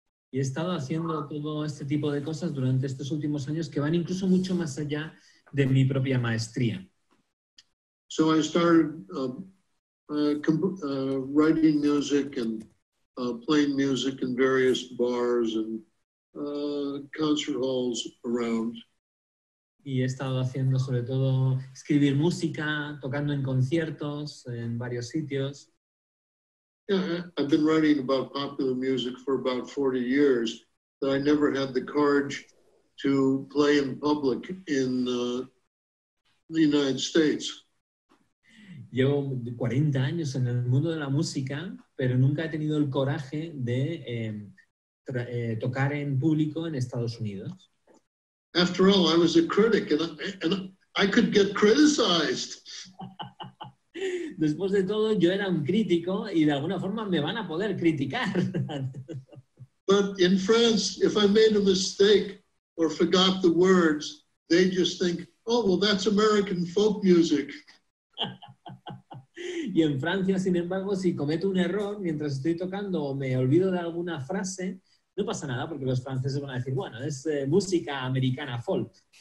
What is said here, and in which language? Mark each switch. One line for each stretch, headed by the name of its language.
Spanish: Y he estado haciendo todo este tipo de cosas durante estos últimos años que van incluso mucho más allá de mi propia maestría.
English: So I started writing music and playing music in various bars and concert halls around.
Spanish: Y he estado haciendo sobre todo escribir música, tocando en conciertos en varios sitios.
English: Yeah, I've been writing about popular music for about 40 years, but I never had the courage to play in public in the United States.
Spanish: Llevo 40 años en el mundo de la música, pero nunca he tenido el coraje de tocar en público en Estados Unidos.
English: After all, I was a critic, and I could get criticized.
Spanish: Después de todo, yo era un crítico y de alguna forma me van a poder criticar.
English: But in France, if I made a mistake or forgot the words, they just think, oh, well, that's American folk music.
Spanish: Y en Francia, sin embargo, si cometo un error mientras estoy tocando o me olvido de alguna frase, no pasa nada porque los franceses van a decir, bueno, es música americana folk.